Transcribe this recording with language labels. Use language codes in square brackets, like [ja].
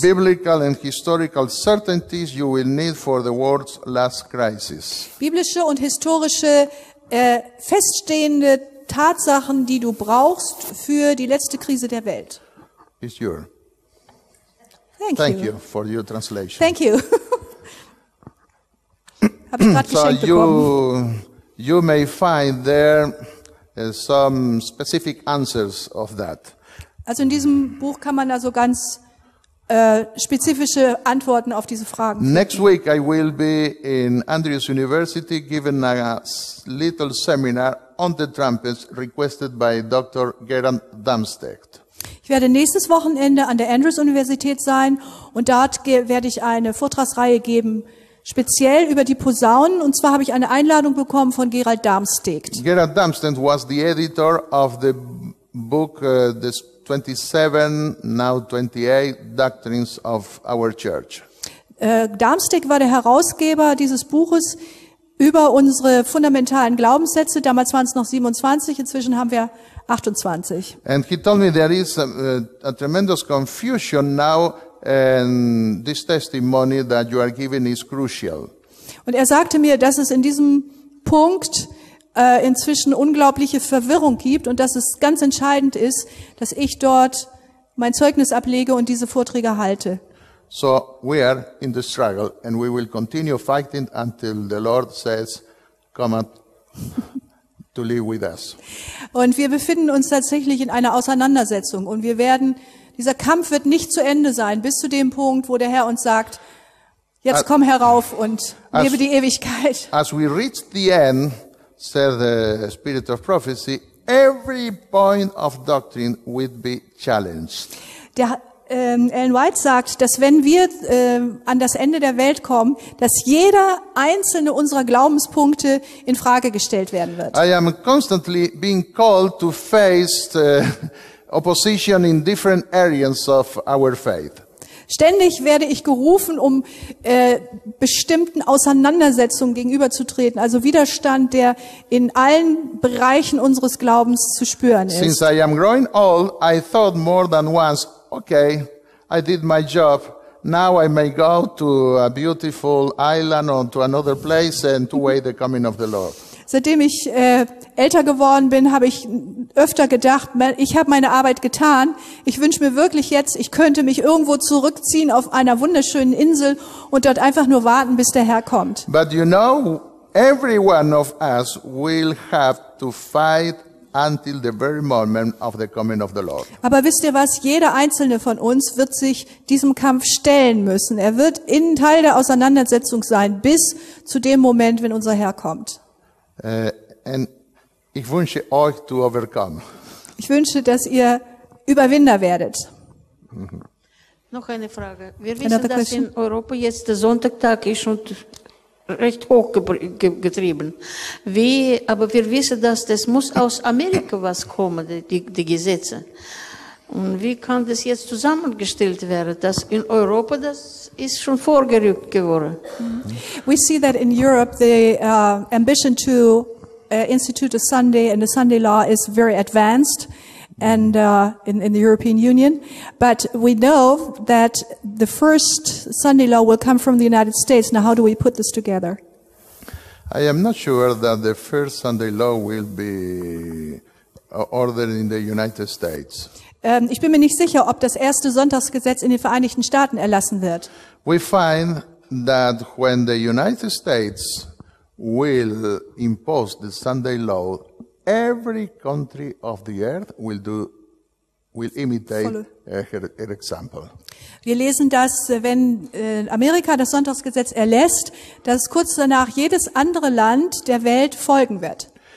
[en] Biblical and historical certainties you will need for the world's last crisis. [de] Biblische und historische feststehende Tatsachen, die du brauchst für die letzte Krise der Welt. [en] It's your. Thank you. Thank you for your translation. Thank you. [de] habe ich gerade geschenkt bekommen. [en] You may find there some specific answers of that. [de] Also in diesem Buch kann man also ganz spezifische Antworten auf diese Fragen finden. [en] Next week I will be in Andrews University giving a little seminar on the trumpets requested by Dr. Gerhard Damstecht. [de] Ich werde nächstes Wochenende an der Andrews Universität sein und dort werde ich eine Vortragsreihe geben, speziell über die Posaunen. Und zwar habe ich eine Einladung bekommen von Gerhard Damstecht. [en] Gerhard Damstecht was the editor of the book, the 27, now 28 Doctrines of our Church. [de] Damstecht war der Herausgeber dieses Buches über unsere fundamentalen Glaubenssätze. Damals waren es noch 27, inzwischen haben wir 28. [en] And he told me there is a tremendous confusion now, and this testimony that you are giving is crucial. [de] Und er sagte mir, dass es in diesem Punkt inzwischen unglaubliche Verwirrung gibt und dass es ganz entscheidend ist, dass ich dort mein Zeugnis ablege und diese Vorträge halte. [en] So we are in the struggle and we will continue fighting until the Lord says, come up to live with us. [de] Und wir befinden uns tatsächlich in einer Auseinandersetzung und wir werden, dieser Kampf wird nicht zu Ende sein, bis zu dem Punkt, wo der Herr uns sagt, jetzt komm herauf und lebe die Ewigkeit. [en] As we reach the end, said the Spirit of Prophecy, every point of doctrine will be challenged. [de] Der Ellen White sagt, dass wenn wir an das Ende der Welt kommen, dass jeder einzelne unserer Glaubenspunkte in Frage gestellt werden wird. [en] I am constantly being called to face opposition in different areas of our faith. [de] Ständig werde ich gerufen, um bestimmten Auseinandersetzungen gegenüberzutreten, also Widerstand, der in allen Bereichen unseres Glaubens zu spüren ist. [en] Since I am growing old, I thought more than once, okay, I did my job. Now I may go to a beautiful island or to another place and to wait the coming of the Lord. [de] Seitdem ich älter geworden bin, habe ich öfter gedacht, ich habe meine Arbeit getan. Ich wünsche mir wirklich jetzt, ich könnte mich irgendwo zurückziehen auf einer wunderschönen Insel und dort einfach nur warten, bis der Herr kommt. [en] But you know, every one of us will have to fight until the very moment of the coming of the Lord. [de] Aber wisst ihr was? Jeder einzelne von uns wird sich diesem Kampf stellen müssen. Er wird in Teil der Auseinandersetzung sein, bis zu dem Moment, wenn unser Herr kommt. Und ich wünsche euch zu überkommen. Ich wünsche, dass ihr Überwinder werdet. Noch eine Frage. Wir wissen, dass in Europa jetzt der Sonntagtag ist und recht hoch getrieben. Aber wir wissen, dass das muss aus Amerika was kommen, die Gesetze. Und wie kann das jetzt zusammengestellt werden, dass in Europa das ist schon vorgerückt geworden? [en] We see that in Europe the ambition to institute a Sunday and a Sunday law is very advanced and in the European Union, but we know that the first Sunday law will come from the United States. Now, how do we put this together? I am not sure that the first Sunday law will be ordered in the United States. [de] Ich bin mir nicht sicher, ob das erste Sonntagsgesetz in den Vereinigten Staaten erlassen wird. [en] We find that when the United States will impose the Sunday law, every country of the earth will imitate her example. [de] Wir lesen, dass wenn Amerika das Sonntagsgesetz erlässt, dass kurz danach jedes andere Land der Welt folgen wird.